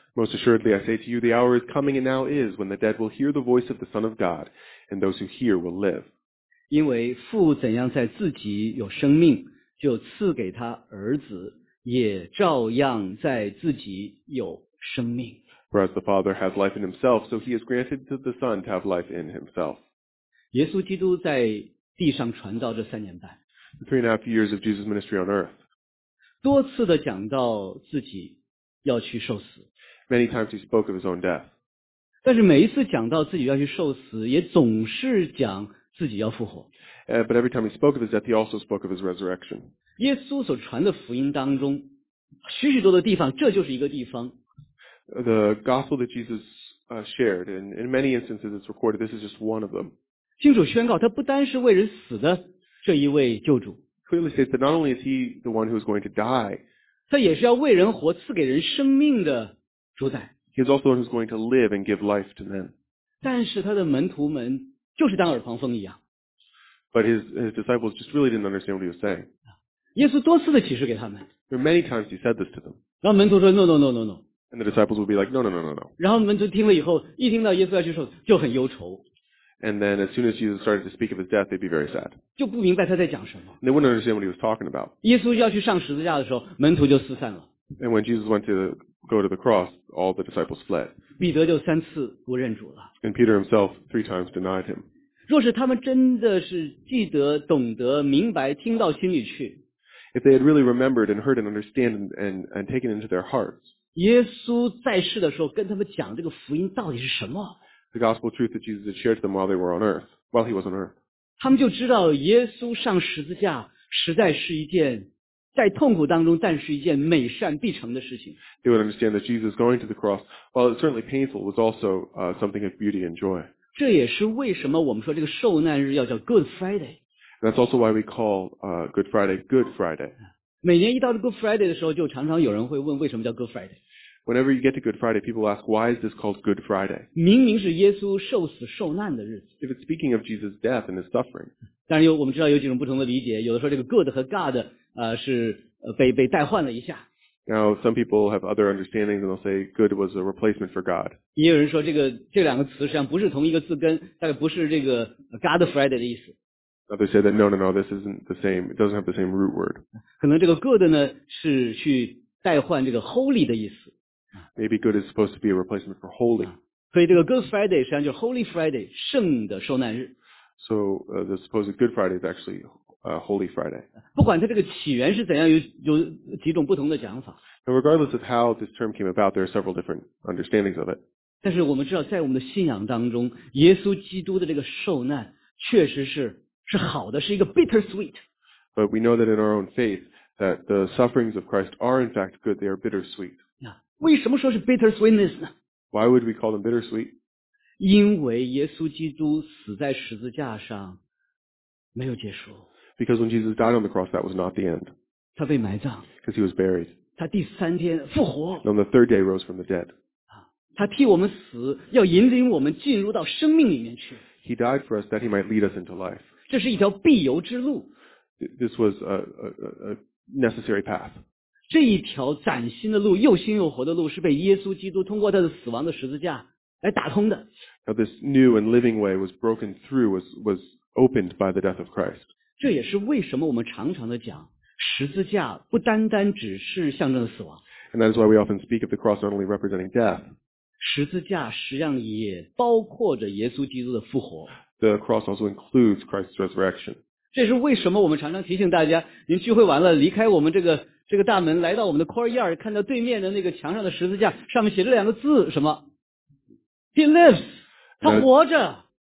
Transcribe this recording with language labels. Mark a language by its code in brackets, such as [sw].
[en] Most assuredly, I say to you, the hour is coming and now is when the dead will hear the voice of the Son of God, and those who hear will live. [zh] 因为父怎样在自己有生命,就赐给他儿子,也照样在自己有生命。 [en] For as the Father has life in himself, so he has granted to the Son to have life in himself. [zh] 耶稣基督在地上传道这3年半, [en] The 3.5 years of Jesus' ministry on earth, [zh] 多次地讲到自己要去受死, [en] Many times he spoke of his own death. [zh] 但是每一次讲到自己要去受死, 也总是讲自己要复活。 [en] But every time he spoke of his death, he also spoke of his resurrection. [zh] 耶稣所传的福音当中, 许许多的地方，这就是一个地方。 [en] The gospel that Jesus shared, and in many instances it's recorded, this is just one of them. [zh] 救主宣告他不单是为人死的这一位救主。 [en] Clearly states that not only is he the one who is going to die, [zh] 他也是要为人活赐给人生命的主宰。 [en] He is also the one who is going to live and give life to men. [zh] 但是他的门徒们就是当耳旁风一样。 [en] But his disciples just really didn't understand what he was saying. [zh] 耶稣多次的启示给他们。 [en] There are many times he said this to them. [zh] 让门徒说 [en] no. And the disciples would be like, no. [zh] 然后门徒听了以后，一听到耶稣要去受，就很忧愁。 [en] And then as soon as Jesus started to speak of his death, they'd be very sad. [zh] 就不明白他在讲什么。 [en] They wouldn't understand what he was talking about. [zh] 耶稣要去上十字架的时候，门徒就四散了。 [en] And when Jesus went to go to the cross, all the disciples fled. [zh] 彼得就三次不认主了。 [en] And Peter himself three times denied him. [zh] 若是他们真的是记得、懂得、明白、听到心里去。 [en] If they had really remembered and heard and understand and taken into their hearts. [zh] 耶稣在世的时候跟他们讲这个福音到底是什么 [en] The gospel truth that Jesus had shared to them while they were on earth, while he was on earth. [zh] 他们就知道耶稣上十字架实在是一件在痛苦当中但是一件美善必成的事情。 [en] They would understand that Jesus going to the cross, while it's certainly painful, was also something of beauty and joy. [zh] 这也是为什么我们说这个受难日要叫 Good Friday. [en] That's also why we call Good Friday, Good Friday. [zh] 每年一到 Good Friday 的时候，就常常有人会问为什么叫 Good Friday。 [en] Whenever you get to Good Friday, people ask why is this called Good Friday? [zh] 明明是耶稣受死受难的日子。 [en] If it's speaking of Jesus' death and his suffering. [zh] 当然有我们知道有几种不同的理解，有的说这个 Good 和 God 是被代换了一下。 [en] Now some people have other understandings and they'll say Good was a replacement for God. [zh] 也有人说这两个词实际上不是同一个字根，大概不是这个 God Friday 的意思。 [en] Others say that no, this isn't the same. It doesn't have the same root word. [zh] 可能这个 good 呢是去代换这个 holy 的意思。 [en] Maybe good is supposed to be a replacement for holy. [zh] 所以这个 Good Friday 实际上就是 Holy Friday, 圣的受难日。 [en] So the supposed Good Friday is actually Holy Friday. [zh] 不管它这个起源是怎样，有几种不同的讲法。 [en] Now, regardless of how this term came about, there are several different understandings of it. [zh] 但是我们知道，在我们的信仰当中，耶稣基督的这个受难确实是。是好的，是一个 bittersweet. [en] But we know that in our own faith, that the sufferings of Christ are in fact good. They are bittersweet. [zh] 为什么说是 bittersweetness 呢 [en] ？Why would we call them bittersweet? [zh] 因为耶稣基督死在十字架上没有结束。 [en] Because when Jesus died on the cross, that was not the end. [zh] 他被埋葬。 [en] Because he was buried. [zh] 他第三天复活。 [en] And on the third day, rose from the dead. [zh] 他替我们死，要引领我们进入到生命里面去。 [en] He died for us that he might lead us into life. [zh] 这是一条必由之路。 [en] This was a necessary path. [zh] 这一条崭新的路，又新又活的路，是被耶稣基督通过他的死亡的十字架来打通的。 [en] Now this new and living way was broken through, was opened by the death of Christ. [zh] 这也是为什么我们常常的讲，十字架不单单只是象征死亡。 [en] And that is why we often speak of the cross not only representing death. [zh] 十字架实际上也包括着耶稣基督的复活。 [en] The cross also includes Christ's resurrection. [zh] 这是为什么我们常常提醒大家，您聚会完了离开我们这个大门，来到我们的 courtyard， 看到对面的那个墙上的十字架，上面写着两个字，什么 ？ [en] He lives， [zh] 他活着。